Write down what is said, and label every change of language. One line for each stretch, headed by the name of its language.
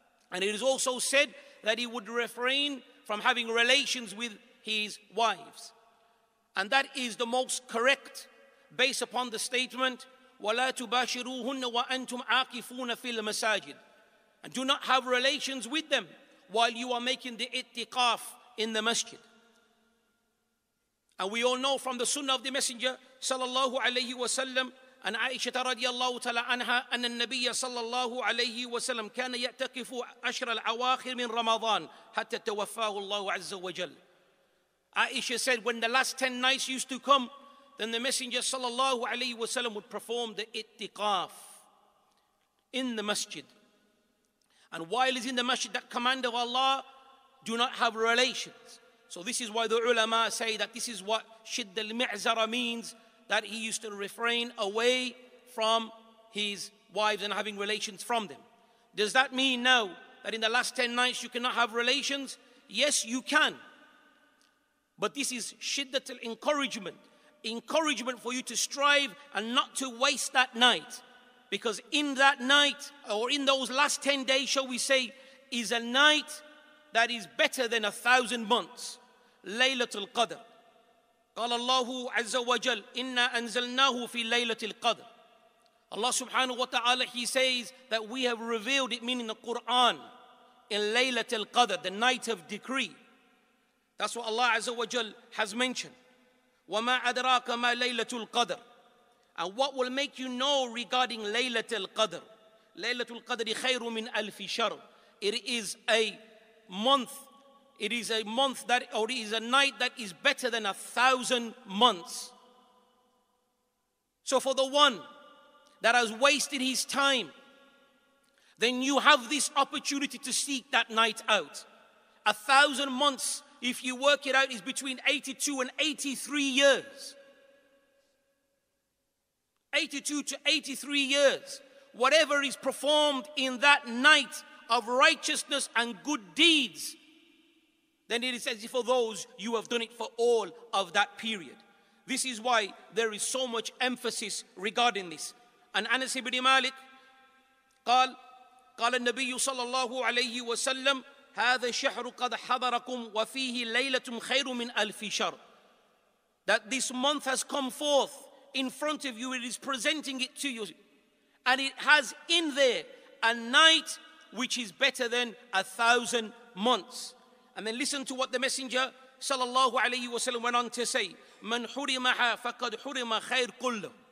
English: And it is also said that he would refrain from having relations with his wives. And that is the most correct based upon the statement,
Arabic: وَلَا تُبَاشِرُوهُنَّ وَأَنْتُمْ عَاكِفُونَ فِي الْمَسَاجِدِ.
English: And do not have relations with them while you are making the ittiqaf in the masjid. And we all know from the sunnah of the Messenger sallallahu alayhi wa sallam,
Arabic: أن عائشة رضي الله تعالى عنها أن النبي صلى الله عليه وسلم كان يعتكف عشر الأواخر من رمضان حتى توفاه الله عز وجل.
English: Aisha said, when the last 10 nights used to come, then the Messenger
Arabic: صلى الله عليه وسلم
English: would perform the ittiqaf in the masjid. And while he's in the masjid, that command of Allah, do not have relations. So this is why the ulama say that this is what shidd al-mi'zara means, that he used to refrain away from his wives and having relations from them. Does that mean now that in the last 10 nights you cannot have relations? Yes, you can. But this is shiddat al-encouragement. Encouragement for you to strive and not to waste that night. Because in that night, or in those last 10 days, shall we say, is a night that is better than 1,000 months. Laylatul Qadr.
Arabic: قال الله عز وجل إنا أنزلناه في ليلة القدر.
English: Allah subhanahu wa ta'ala, he says that we have revealed it, meaning the Quran, in ليلة القدر, the night of decree. That's what Allah
Arabic: عز وجل
English: has mentioned.
Arabic: وما أدراك ما ليلة القدر.
English: And what will make you know regarding ليلة القدر.
Arabic: ليلة القدر خير من ألف شهر.
English: It is a month. It is a month that, or it is a night that is better than 1,000 months. So for the one that has wasted his time, then you have this opportunity to seek that night out. 1,000 months, if you work it out, is between 82 and 83 years. 82 to 83 years. Whatever is performed in that night of righteousness and good deeds, then it is as if for those you have done it for all of that period. This is why there is so much emphasis regarding this.
Arabic: And Anas ibn Malik قال قال النبي صلى الله عليه وسلم هذا شهر قد حضركم وفيه ليلة خير من ألف شهر.
English: That this month has come forth in front of you, it is presenting it to you, and it has in there a night which is better than 1,000 months. And then listen to what the Messenger sallallahu alayhi wa sallam went on to say,
Arabic: مَنْ حُرِمَهَا فَقَدْ حُرِمَ خَيْرْ كُلَّهُ.